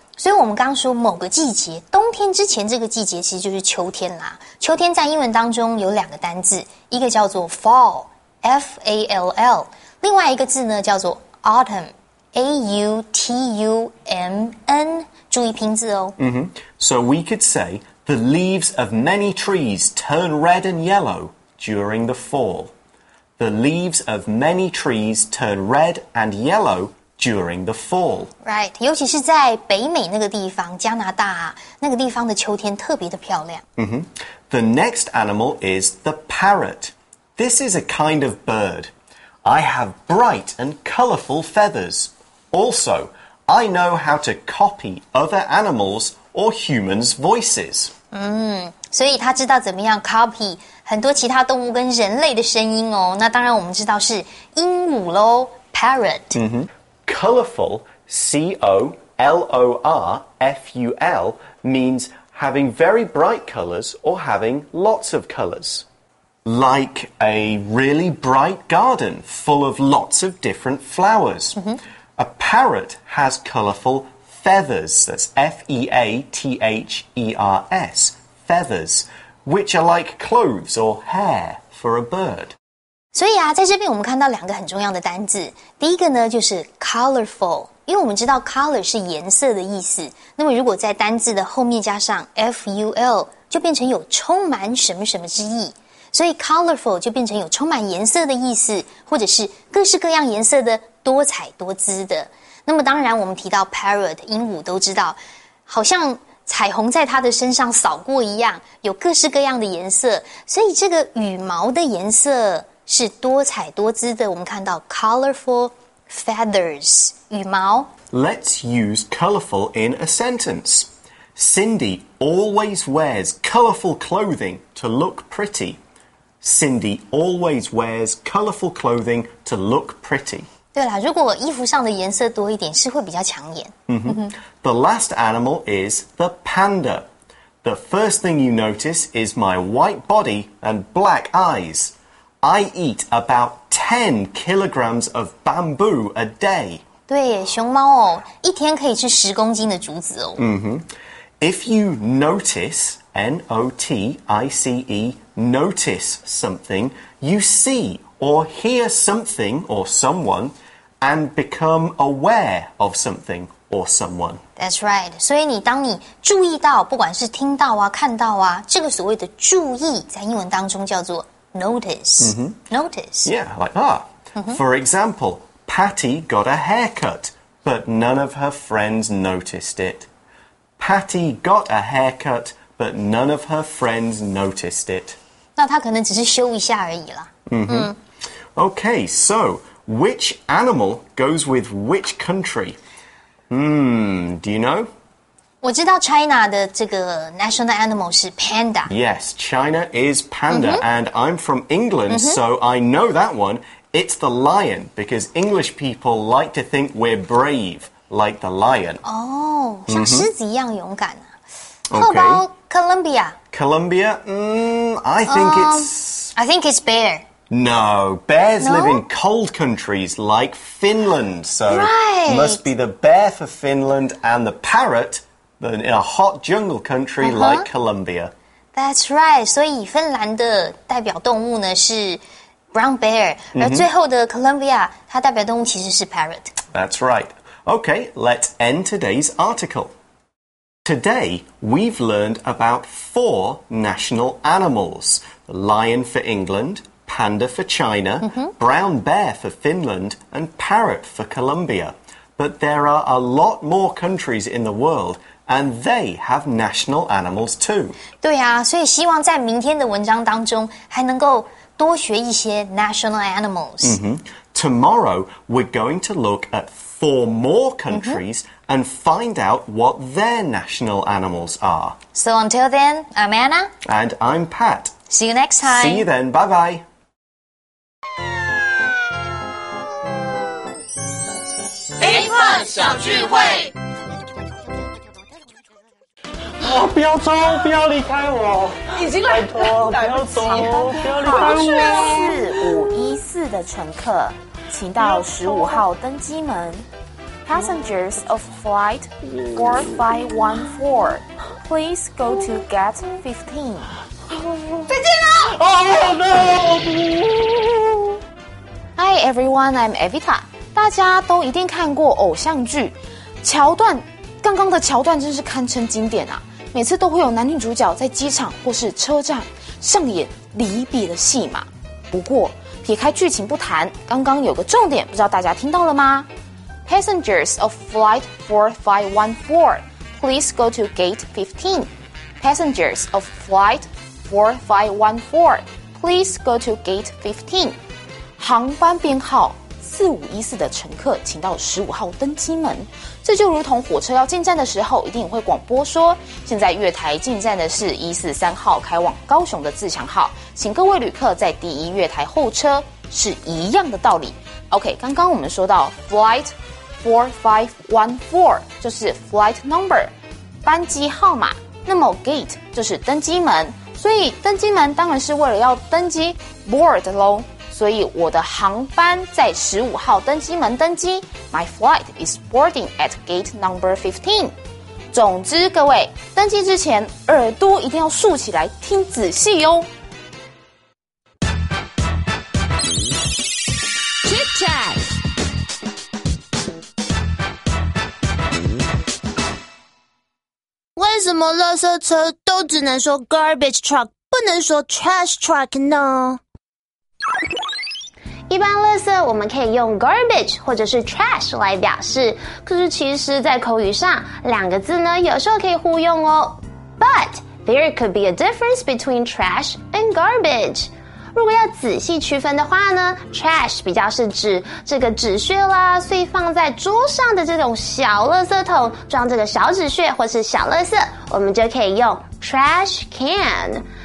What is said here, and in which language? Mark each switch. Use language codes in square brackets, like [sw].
[zh] 所以我们刚说某个季节，冬天之前这个季节其实就是秋天啦。秋天在英文当中有两个单字，一个叫做 fall, F-A-L-L, 另外一个字呢叫做 autumn, A-U-T-U-M-N, 注意拼字哦。 Mm-hmm. [en] So we could say, the leaves of many trees turn red and yellow during the fall. The leaves of many trees turn red and yellow during the fall. [zh] Right, 尤其是在北美那个地方，加拿大啊，那个地方的秋天特别的漂亮。 Mm-hmm. [en] The next animal is the parrot. This is a kind of bird. I have bright and colorful feathers. Also, I know how to copy other animals or humans' voices. [zh] 所以他知道怎么样 copy 很多其他动物跟人类的声音哦。那当然我们知道是鹦鹉咯 parrot.、 Mm-hmm. [en] Colorful, C-O-L-O-R-F-U-L, means having very bright colors or having lots of colors. Like a really bright garden full of lots of different flowers.、 Mm-hmm. A parrot has colorful feathers, that's F-E-A-T-H-E-R-S. Feathers, which are like clothes or hair for a bird. [zh] 所以啊，在这边我们看到两个很重要的单字。第一个呢，就是 colorful， 因为我们知道 color 是颜色的意思。那么如果在单字的后面加上 ful， 就变成有充满什么什么之意。所以 colorful 就变成有充满颜色的意思，或者是各式各样颜色的、多彩多姿的。那么当然，我们提到 parrot 鹦鹉都知道，好像。彩虹在它的身上扫过一样，有各式各样的颜色，所以这个羽毛的颜色是多彩多姿的。我们看到 colorful feathers 羽毛。 [en] Let's use colorful in a sentence. Cindy always wears colorful clothing to look pretty. Cindy always wears colorful clothing to look pretty. [zh] 对啦，如果衣服上的颜色多一点，是会比较抢眼。 [en] The last animal is the panda. The first thing you notice is my white body and black eyes. I eat about 10 kilograms of bamboo a day. [zh] 对，熊猫哦，一天可以吃十公斤的竹子哦。 [en] If you notice, N-O-T-I-C-E, notice something, you see or hear something or someone and become aware of something. Or someone. That's right. [zh] 所以你当你注意到，不管是听到啊，看到啊，这个所谓的注意，在英文当中叫做 notice.、 Mm-hmm. [en] Notice. Yeah, like ah.、Mm-hmm. For example, Patty got a haircut, but none of her friends noticed it. Patty got a haircut, but none of her friends noticed it. [zh] 那她可能只是修一下而已啦。 [en] Okay, so which animal goes with which country? Do you know? [zh] 我知道 China 的这个 national animal 是 panda. [en] Yes, China is panda,、mm-hmm. and I'm from England,、mm-hmm. so I know that one. It's the lion, because English people like to think we're brave, like the lion. [zh] Oh, 像狮子一样勇敢、啊 mm-hmm. [en] How about Colombia? Colombia? I think I think it's bear. No, bears no? live in cold countries like Finland, so、 right. must be the bear for Finland and the parrot in a hot jungle country、uh-huh. like Colombia. That's right, [zh] 所以芬兰的代表动物呢是 brown bear,、mm-hmm. 而最后的 Colombia, 它代表动物其实是 parrot. [en] That's right. Okay, let's end today's article. Today, we've learned about four national animals, the lion for England,Panda for China,、 mm-hmm. brown bear for Finland, and parrot for Colombia. But there are a lot more countries in the world, and they have national animals too. [zh] 对啊，所以希望在明天的文章当中还能够多学一些 national animals.、 Mm-hmm. [en] Tomorrow, we're going to look at four more countries、mm-hmm. and find out what their national animals are. So until then, I'm Anna. And I'm Pat. See you next time. See you then. Bye-bye. [zh] A 小聚会，不要走，不要离开我，已经来拜托，不要走，不要离开我，好，是514。四的乘客，请到十五号登机门。 [en] Passengers of flight 4514, please go to gate 15. [zh] 再见了。 [en] Oh no! Hi everyone, I'm Evita. [zh] 大家都一定看过偶像剧桥段，刚刚的桥段真是堪称经典啊！每次都会有男女主角在机场或是车站上演离别的戏码。不过，撇开剧情不谈，刚刚有个重点，不知道大家听到了吗？ [en] Passengers of flight 4514, please go to gate 15. Passengers of flight 4514, please go to gate 15. [zh] 航班编号4514的乘客，请到十五号登机门。这就如同火车要进站的时候，一定会广播说：现在月台进站的是143号，开往高雄的自强号，请各位旅客在第一月台候车。是一样的道理。 OK， 刚刚我们说到 flight。4514就是 flight number， 班机号码。那么 gate 就是登机门，所以登机门当然是为了要登机 board 咯。所以我的航班在十五号登机门登机。 [en] My flight is boarding at gate number 15。 [zh] 总之，各位登机之前耳朵一定要竖起来听仔细哟。为什么垃圾车都只能说 garbage truck， 不能说 trash truck 呢？一般垃圾我们可以用 garbage 或者是 trash 来表示，可是其实在口语上两个字呢有时候可以互用哦。 [en] But there could be a difference between trash and garbage。 [zh] 如果要仔细区分的话呢， trash 比较是指这个纸屑啦，所以放在桌上的这种小垃圾桶装这个小纸屑或是小垃圾，我们就可以用 trash can。